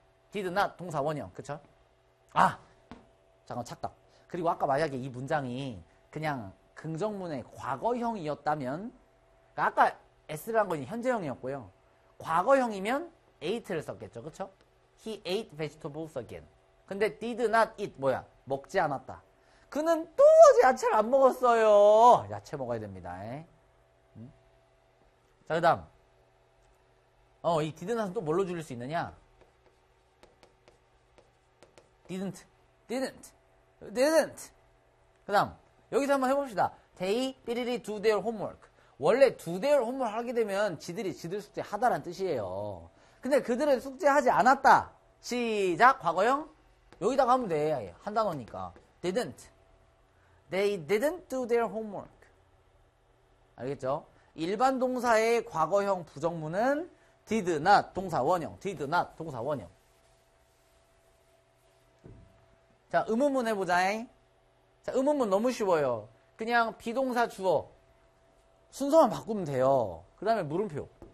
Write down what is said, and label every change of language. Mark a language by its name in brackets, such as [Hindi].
[Korean] did not 동사 원형. 그쵸? 아! 잠깐 찾다. 그리고 아까 만약에 이 문장이 그냥 긍정문의 과거형이었다면, 그러니까 아까 S라는 건 현재형이었고요. 과거형이면 ate를 썼겠죠. 그쵸? [English] He ate vegetables again. [Korean] 근데 [English] did not eat, [Korean] 뭐야? 먹지 않았다. 그는 또 아직 야채를 안 먹었어요. 야채 먹어야 됩니다. 응? 자, 그 다음. 이 did not은 또 뭘로 줄일 수 있느냐? [English] didn't, didn't. didn't. [Korean] 그 다음, 여기서 한번 해봅시다. [English] They, [Korean] 삐리리, [English] do their homework. [Korean] 원래 do their homework 하게 되면 지들이 지들 숙제 하다란 뜻이에요. 근데 그들은 숙제하지 않았다. 시작, 과거형. 여기다가 하면 돼. 한 단어니까. [English] didn't. They didn't do their homework. 알겠죠? [Korean] 일반 동사의 과거형 부정문은 did not 동사 원형. did not 동사 원형. 자, 의문문 해보자. 자, 의문문 너무 쉬워요. 그냥 비동사 주어. 순서만 바꾸면 돼요. 그 다음에 물음표.